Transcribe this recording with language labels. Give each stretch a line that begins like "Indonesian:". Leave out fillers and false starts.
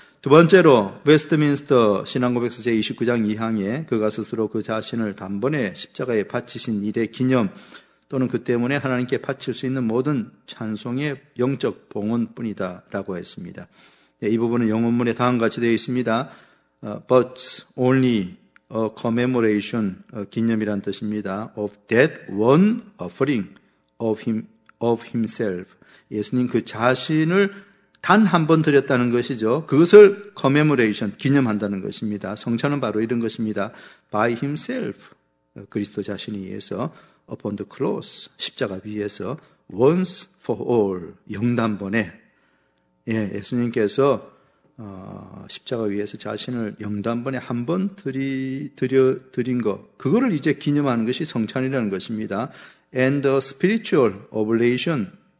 Korean: 두 번째로 웨스트민스터 신앙고백서 제29장 2항에 그가 스스로 그 자신을 단번에 십자가에 바치신 일의 기념 또는 그 때문에 하나님께 바칠 수 있는 모든 찬송의 영적 봉헌뿐이다 라고 했습니다. 예, 이 부분은 영문문에 다음과 같이 되어 있습니다.
English: But only a commemoration,
Korean: 기념이란 뜻입니다.
English: Of that one offering of himself.
Korean: 예수님 그 자신을 단 한 번 드렸다는 것이죠. 그것을 commemoration, 기념한다는 것입니다. 성찬은 바로 이런 것입니다.
English: By himself,
Korean: 그리스도 자신에 의해서
English: upon the cross,
Korean: 십자가 위에서
English: once for all,
Korean: 영단번에 예, 예수님께서 십자가 위에서 자신을 영단번에 한번 드린 것 그거를 이제 기념하는 것이 성찬이라는 것입니다.
English: And the spiritual oblation